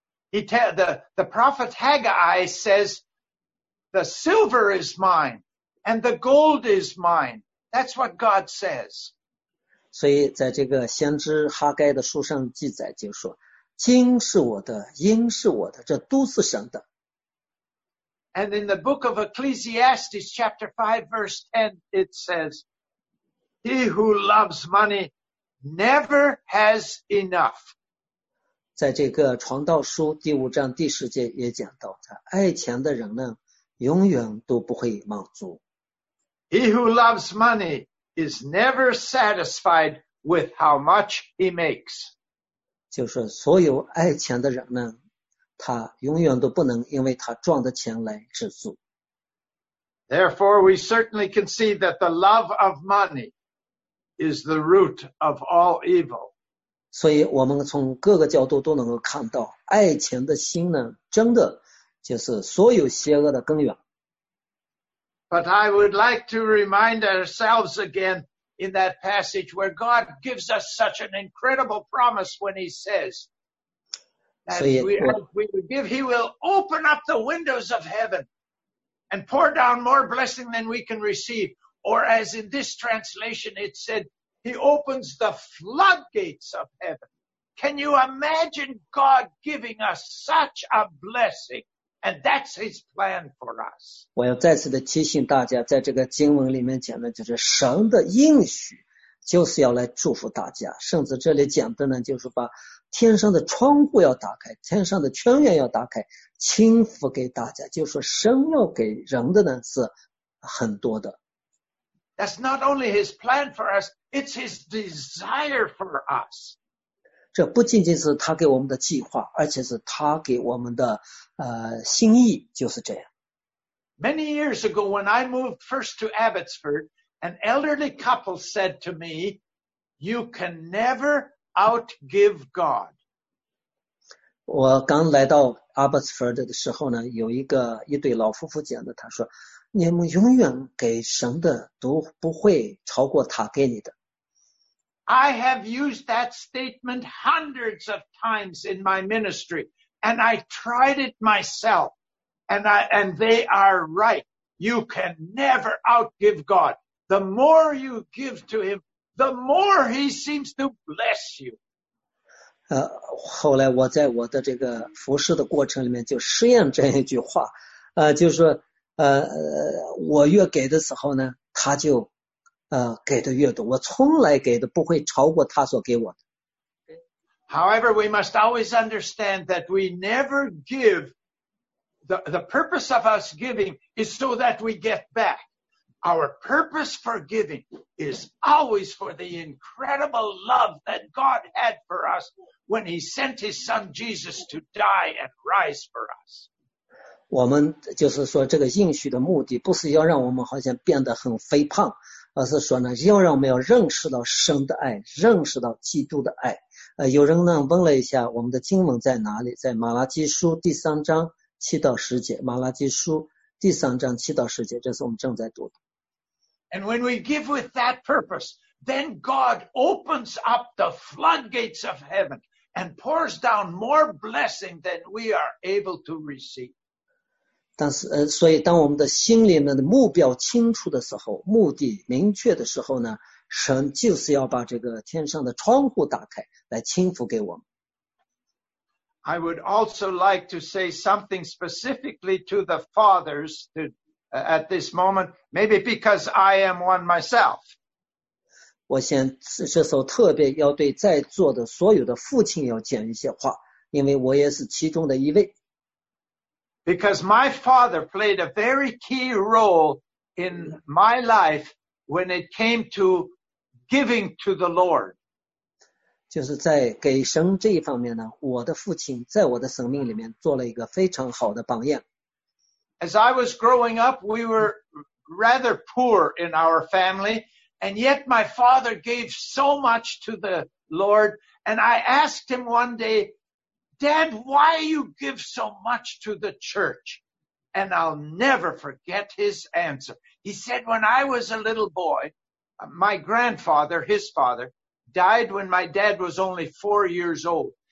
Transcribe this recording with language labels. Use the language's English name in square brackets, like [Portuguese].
[English] The prophet Haggai says, "The silver is mine, and the gold is mine." That's what God says. [Chinese] 所以在这个先知哈该的书上记载就说金是我的银是我的这都是神的。 [English] And in the book of Ecclesiastes chapter 5 verse 10 it says, He who loves money never has enough. [Chinese] 在这个传道书第五章第十节也讲到爱钱的人呢永远都不会满足。 [English] He who loves money,is never satisfied with how much he makes. [Chinese] 就是所有爱钱的人呢，他永远都不能因为他赚的钱来知足。 [English] Therefore, we certainly can see that the love of money is the root of all evil. [Chinese] 所以我们从各个角度都能够看到，爱钱的心呢，真的就是所有邪恶的根源。 [English] But I would like to remind ourselves again in that passage where God gives us such an incredible promise when he says that he will open up the windows of heaven and pour down more blessing than we can receive. Or as in this translation, it said, he opens the floodgates of heaven. Can you imagine God giving us such a blessing And that's his plan for us. [Chinese] 我要再次的提醒大家，在这个经文里面讲的就是神的应许，就是要来祝福大家。甚至这里讲的呢，就是把天上的窗户要打开，天上的泉源要打开，倾覆给大家。就是神要给人的呢是很多的。 [English] That's not only his plan for us, it's his desire for us. [Chinese] 这不仅仅是他给我们的计划，而且是他给我们的心意，就是这样。 [English] Many years ago, when I moved first to Abbotsford, an elderly couple said to me, "You can never outgive God." [Chinese] 我刚来到 Abbotsford 的时候呢，有一对老夫妇讲的，他说。你们永远给神的都不会超过他给你的。 [English] I have used that statement hundreds of times in my ministry, and I tried it myself, and they are right. You can never outgive God. The more you give to him, the more he seems to bless you. [Chinese] 后来我在我的这个服侍的过程里面就试验这样一句话，就是说。我越给的时候呢，他就给的越多。我从来给的不会超过他所给我的。 [English] However, we must always understand that we never give. The purpose of us giving is so that we get back. Our purpose for giving is always for the incredible love that God had for us when He sent His Son Jesus to die and rise for us. [Chinese] 我们就是说这个应许的目的不是要让我们好像变得很肥胖，而是说呢，要让我们要认识到神的爱，认识到基督的爱。有人呢问了一下我们的经文在哪里，在马拉基书第三章七到十节，马拉基书第三章七到十节，这是我们正在读的。 [English] And when we give with that purpose, then God opens up the floodgates of heaven and pours down more blessing than we are able to receive. [Chinese] 但是所以当我们的心里面的目标清楚的时候，目的明确的时候呢，神就是要把这个天上的窗户打开来倾覆给我们。 [English] I would also like to say something specifically to the fathers at this moment, maybe because I am one myself. [Chinese] 我先这时候特别要对在座的所有的父亲要讲一些话，因为我也是其中的一位。 [English] Because my father played a very key role in my life when it came to giving to the Lord. [Chinese] 就是在给神这一方面呢，我的父亲在我的生命里面做了一个非常好的榜样。 [English] As I was growing up, we were rather poor in our family, and yet my father gave so much to the Lord, and I asked him one day,Dad, why you give so much to the church? And I'll never forget his answer. He said, when I was a little boy, my grandfather, his father, died when my dad was only 4 years old.